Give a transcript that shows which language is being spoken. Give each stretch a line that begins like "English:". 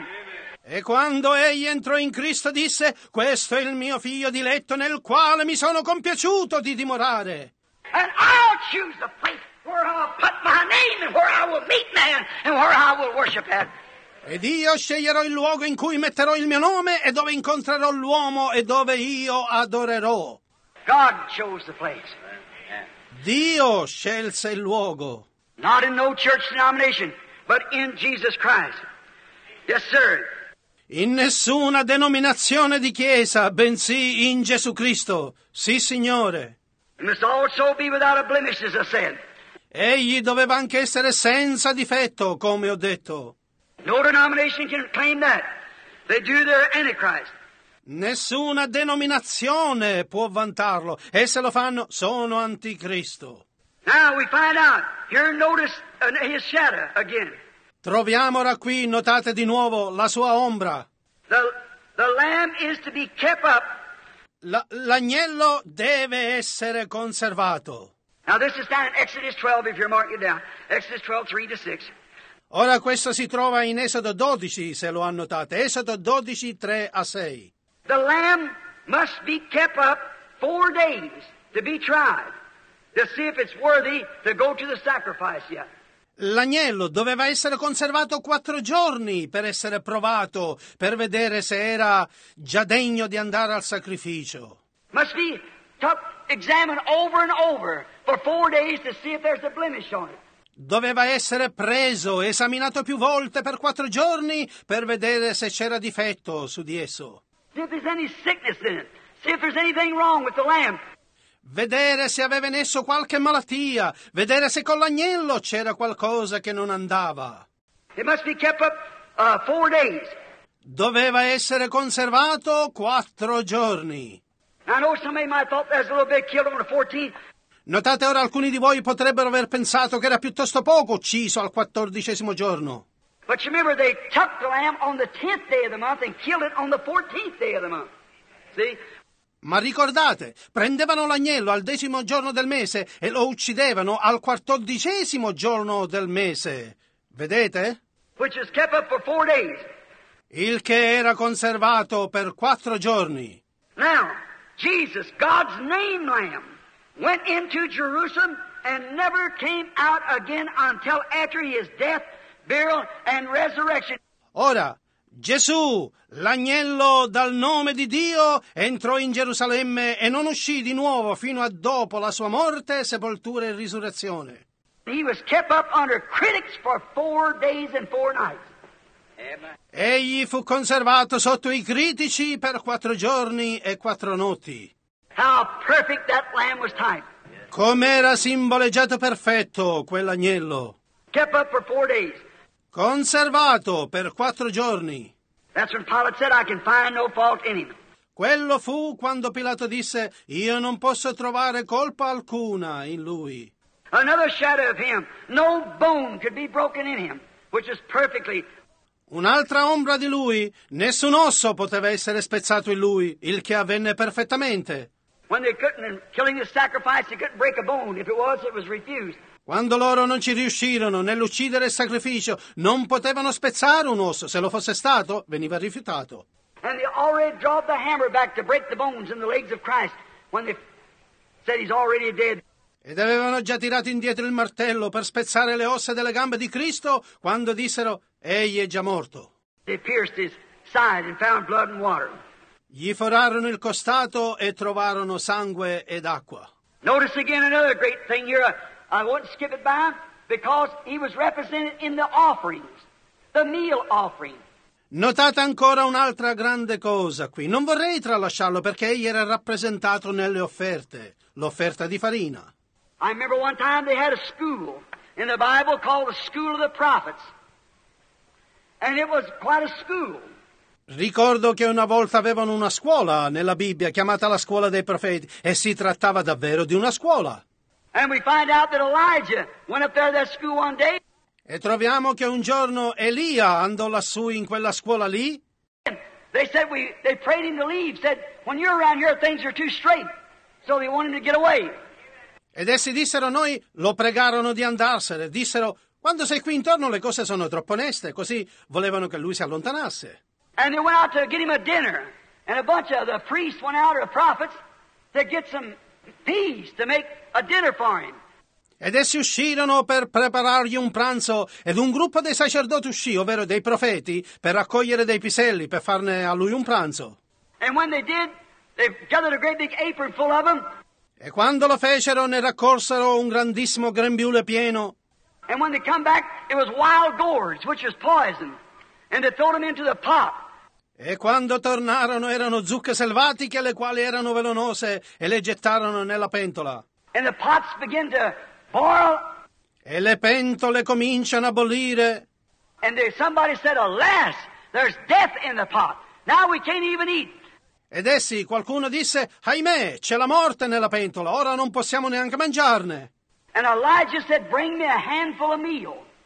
English: Amen.
Italian: E quando egli entrò in Cristo, disse, questo è il mio figlio diletto nel quale mi sono compiaciuto di dimorare.
English: And I'll choose the place where I'll put my name and where I will meet man and where I will worship at.
Italian: Ed io sceglierò il luogo in cui metterò il mio nome e dove incontrerò l'uomo e dove io adorerò.
English: God chose the place.
Italian: Dio scelse il luogo.
English: Not in no church denomination, but in Jesus Christ. Yes, sir.
Italian: In nessuna denominazione di chiesa, bensì in Gesù Cristo. Sì, Signore.
English: It must also be without a blemish, as I said.
Italian: Egli doveva anche essere senza difetto, come ho detto.
English: No denomination can claim that. They do their antichrist.
Italian: Nessuna denominazione può vantarlo. E se lo fanno, sono anticristo.
English: Now we find out. Here notice his shadow again.
Italian: Troviamola qui, notate di nuovo la sua ombra.
English: The lamb is to be kept up.
Italian: L'agnello deve essere conservato.
English: Now this is down in Exodus 12, if you're marking it down. Exodus 12, 3-6.
Italian: Ora questo si trova in Esodo 12, se lo annotate. Esodo 12, 3-6.
English: The lamb must be kept up 4 days to be tried, to see if it's worthy to go to the sacrifice yet.
Italian: L'agnello doveva essere conservato 4 giorni per essere provato, per vedere se era già degno di andare al sacrificio.
English: Must be examined over and over for 4 days to see if there's a blemish on it.
Italian: Doveva essere preso, esaminato più volte per 4 giorni per vedere se c'era difetto su di esso.
English: See if there's any sickness in it. See if there's anything wrong with the lamb.
Italian: Vedere se aveva in esso qualche malattia, vedere se con l'agnello c'era qualcosa che non andava.
English: It must be kept up, 4 days.
Italian: Doveva essere conservato 4 giorni.
English: I know somebody might thought that's a little bit killed on the 14th.
Italian: Notate ora, alcuni di voi potrebbero aver pensato che era piuttosto poco ucciso al 14° giorno.
English: But you remember they took the lamb on the 10th day of the month and killed it on the 14th day of the month. See?
Italian: Ma ricordate, prendevano l'agnello al 10° giorno del mese e lo uccidevano al 14° giorno del mese. Vedete?
English: Which is kept up for 4 days.
Italian: Il che era conservato per 4 giorni.
English: Now, Jesus, God's name lamb, went into Jerusalem and never came out again until after his death, burial, and resurrection.
Italian: Ora, Gesù, l'agnello dal nome di Dio, entrò in Gerusalemme e non uscì di nuovo fino a dopo la sua morte, sepoltura e risurrezione.
English: He was kept up under critics for 4 days and 4 nights.
Italian: Egli fu conservato sotto i critici per 4 giorni e 4 notti.
English: How perfect that lamb was tied.
Italian: Com'era simboleggiato perfetto quell'agnello.
English: Kept up for 4 days.
Italian: Conservato per 4 giorni.
English: That's when Pilate said, I can find no fault in him.
Italian: Quello fu quando Pilato disse, io non posso trovare colpa alcuna in lui.
English: Another shadow of him. No bone could be broken in him, which is perfectly.
Italian: Un'altra ombra di lui. Nessun osso poteva essere spezzato in lui, il che avvenne perfettamente.
English: When they couldn't, in killing the sacrifice, they couldn't break a bone. If it was, it was refused.
Italian: Quando loro non ci riuscirono nell'uccidere il sacrificio, non potevano spezzare un osso. Se lo fosse stato, veniva rifiutato.
English: And they already drove the hammer back to break the bones in the legs of Christ when they said he's already dead.
Italian: Ed avevano già tirato indietro il martello per spezzare le ossa delle gambe di Cristo quando dissero, egli è già morto.
English: They pierced his side and found blood and water.
Italian: Gli forarono il costato e trovarono sangue ed acqua.
English: Notice again another great thing here. I won't skip it by because he was represented in the offerings, the meal offering.
Italian: Notate ancora un'altra grande cosa qui. Non vorrei tralasciarlo perché egli era rappresentato nelle offerte, l'offerta di farina.
English: I remember one time they had a school in the Bible called the School of the Prophets. And it was quite a school.
Italian: Ricordo che una volta avevano una scuola nella Bibbia chiamata la Scuola dei Profeti e si trattava davvero di una scuola.
English: And we find out that Elijah went up there to that school one day.
Italian: E troviamo che un giorno Elia andò lassù in quella scuola lì.
English: And they said they prayed him to leave, said, when you're around here, things are too straight. So they wanted him to get away.
Italian: Ed essi dissero, noi lo pregarono di andarsene. Dissero, quando sei qui intorno le cose sono troppo oneste. Così volevano che lui si allontanasse.
English: And they went out to get him a dinner. And a bunch of the priests went out, or the prophets, to get some peas to make a dinner for him.
Italian: Ed essi uscirono per preparargli un pranzo, ed un gruppo dei sacerdoti uscì, ovvero dei profeti, per raccogliere dei piselli per farne a lui un pranzo.
English: And when they did, they gathered a great big apron full of them.
Italian: E quando lo fecero, ne raccolsero un grandissimo grembiule pieno.
English: And when they come back, it was wild gourds, which is poison, and they threw them into the pot.
Italian: E quando tornarono erano zucche selvatiche le quali erano velenose e le gettarono nella pentola.
English: And the pots begin to boil.
Italian: E le pentole cominciano a bollire.
English: And there, somebody said, "Alas, there's death in the pot. Now we can't even eat."
Italian: Ed essi, qualcuno disse, ahimè, c'è la morte nella pentola, ora non possiamo neanche mangiarne.
English: And Elijah said, "Bring me a handful of meal."